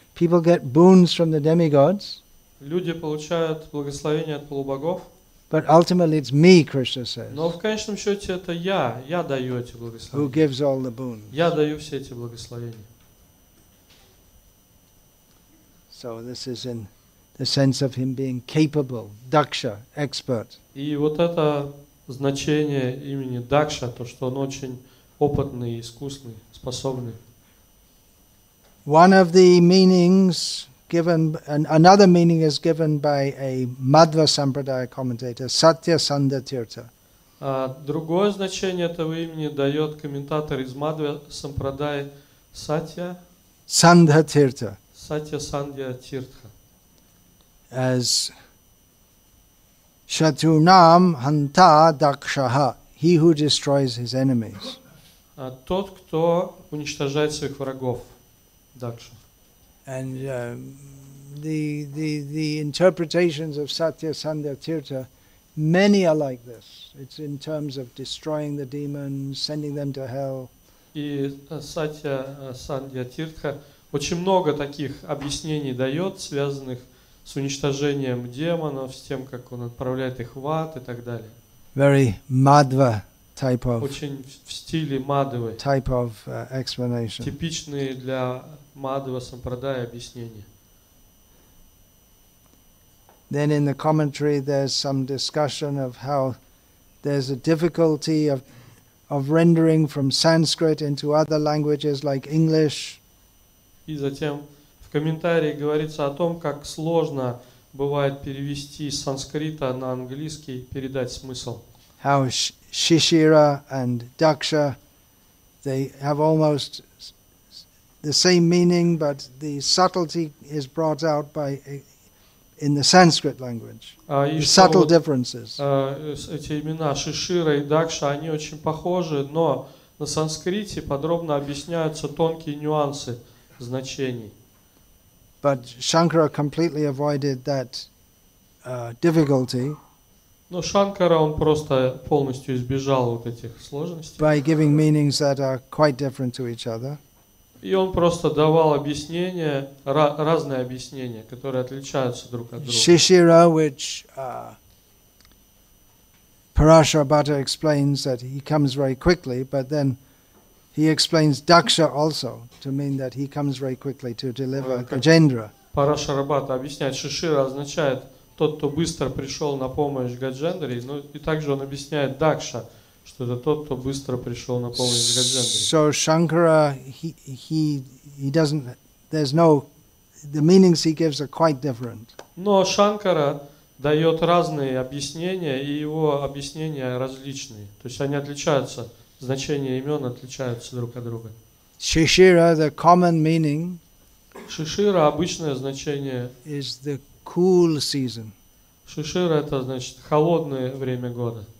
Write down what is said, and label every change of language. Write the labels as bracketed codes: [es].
[en] People get boons from the demigods. [ru] Люди получают благословения от полубогов. [en] But ultimately it's me, Krishna says. [ru] Но в конечном счете это я даю эти благословения. [en] Who gives all the boons. [ru] Я даю все эти благословения. [en] So this is in the sense of him being capable, daksha, expert. [ru] И вот это значение имени дакша, то, что он очень опытный, искусный, способный. [en] One of the meanings given, another meaning is given by a Madhva Sampradaya commentator, Satya Sanda Tirtha. [ru] Другое значение этого имени дает комментатор из Madhva Sampradaya, Satya Sanda Tirtha. [en] Satya Sanda Tirtha. As [sa] Shatunam Hanta Dakshaha, [en] he who destroys his enemies. [ru] Тот, кто уничтожает своих врагов. Дакша. [en] And the interpretations of Satya Sanda Tirtha, many are like this. It's in terms of destroying the demons, sending them to hell. [ru] И Сатья Санда Тиртха очень много таких объяснений дает, связанных с уничтожением демонов, с тем, как он отправляет их в ад и так далее. [en] Very Madhva type of. [ru] Очень в стиле Мадвы. [en] Type of explanation. [ru] Типичные для Мадва сампрадая объяснения. [en] Then in the commentary there's some discussion of how there's a difficulty of rendering from Sanskrit into other languages like English. [ru] И затем в комментарии говорится о том, как сложно бывает перевести с санскрита на английский, передать смысл. [en] How Shishira and Daksha, they have almost the same meaning, but the subtlety is brought out by in the Sanskrit language. The subtle differences. [ru] Эти имена Шишира и Дакша, они очень похожи, но на санскрите подробно объясняются тонкие нюансы значений. [en] But Shankara completely avoided that difficulty. [ru] Но Шанкара он просто полностью избежал вот этих сложностей. [en] By giving meanings that are quite different to each other. [ru] И он просто давал объяснения, разные объяснения, которые отличаются друг от друга. [en] Shishira, which Parashrabhata explains that he comes very quickly, but then he explains Daksha also to mean that he comes very quickly to deliver Gajendra. [ru] Парашарабата объясняет, Шишира означает тот, кто быстро пришел на помощь Гаджендре, но и также он объясняет Дакша, что это тот, кто быстро пришел на помощь Гаджендре. [en] So Shankara, he doesn't, there's no, the meanings he gives are quite different. [ru] Но Шанкара дает разные объяснения, и его объяснения различные, то есть они отличаются. Значения имен отличаются друг от друга. [en] Shishira, the common meaning. [ru] Шишира обычное значение. [en] Is the cool season. [ru] Шишира это значит холодное время года.